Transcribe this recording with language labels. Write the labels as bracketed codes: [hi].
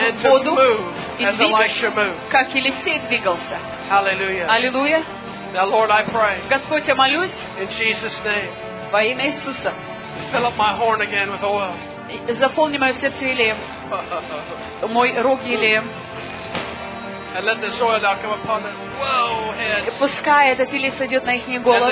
[en] And to move as Elisha moved. [ru] Как Елисей двигался. [en] Hallelujah. [ru] Аллилуйя. [en] Now, Lord, I pray. [ru] Господь, я молюсь. [en] In Jesus' name. [ru] Во имя Иисуса. [en] Fill up my horn again with oil. [ru] Заполни мое сердце елеем. Мой рог елеем. [en] And let this oil now come upon their heads. [ru] И пускай этот елей сойдет на их головы.